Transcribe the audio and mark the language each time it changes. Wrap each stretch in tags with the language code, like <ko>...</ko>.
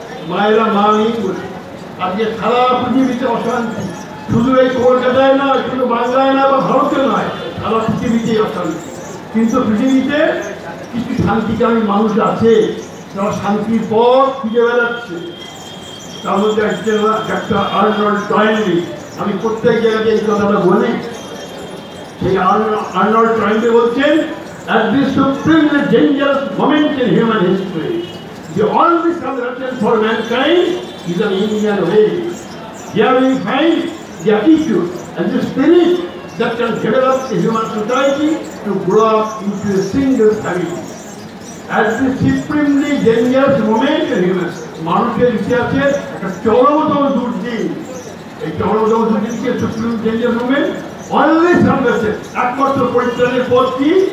<bn>মায়েরা মা নেই বলে। আজকে সারা পৃথিবীতে অশান্তি, শুধু এই কলকাতায় নয়, শুধু বাংলায় নয় বা ভারতে নয়, সারা পৃথিবীতেই অশান্তি। কিন্তু পৃথিবীতে কিছু শান্তিকামী মানুষ আছে, তারা শান্তির পথ খুঁজে বেড়াচ্ছে। তার মধ্যে একজন ডাক্তার আর্নল্ড টয়েলি, আমি প্রত্যেক জায়গাতে এই কথাটা বলি, সেই আর্নল্ড টয়েলি বলছেন,</bn> <en>at this supremely dangerous moment in human history, the only salvation for mankind is an Indian way. Here we find the attitude and the spirit that can develop a human society to grow up into a single family. At this supremely dangerous moment in human</en> <bn>মানুষের ইতিহাসে একটা চরমতম দুর্দিন, এই চরমতম দুর্দিনকে</bn> <en>supreme danger moment only</en> <bn>সামলেছে। একমাত্র পরিত্রাণের পথ কি?</bn>